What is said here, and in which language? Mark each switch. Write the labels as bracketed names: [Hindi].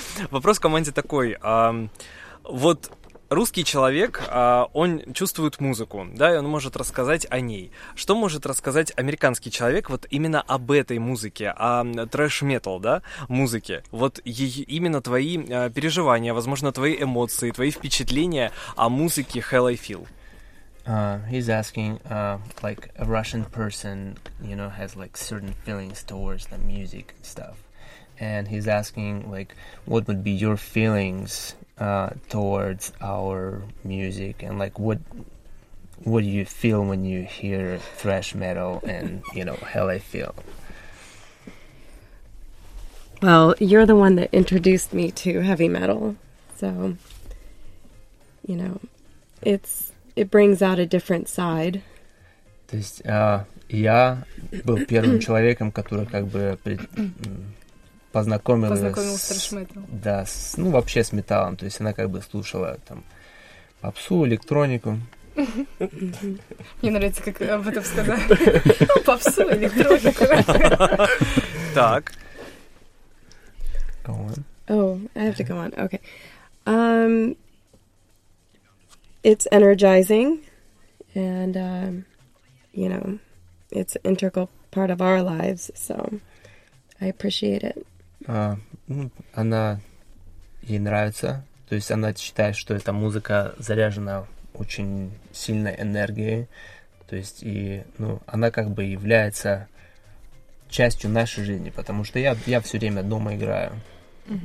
[Russian] Вопрос к команде такой. Вот русский человек, он чувствует музыку, да, и он может рассказать о ней. Что может рассказать американский человек вот именно об этой музыке, о трэш-метал, да, музыке? Вот именно твои переживания, возможно, твои эмоции, твои впечатления о музыке «Hell I Feel». [English] He's asking, like, a Russian person, you know, has, like, certain feelings towards the music and stuff. And he's asking, like, what would be your feelings... towards our music and like what do you feel when you hear thrash metal and you know Hell I Feel. Well, you're the one that introduced me to heavy metal, so you know it brings out a different side. [Russian] То есть я был первым человеком, который как бы познакомилась с ну вообще с металлом, то есть она как бы слушала там попсу, электронику. Мне нравится, как об этом сказали. Попсу, электронику. Так. [English] Go on. Oh, I have to go on. Okay. It's energizing, and you know, it's an integral part of our lives, so I appreciate it. [Russian] Она ей нравится, то есть она считает, что эта музыка заряжена очень сильной энергией, то есть и ну она как бы является частью нашей жизни, потому что я все время дома играю, mm-hmm.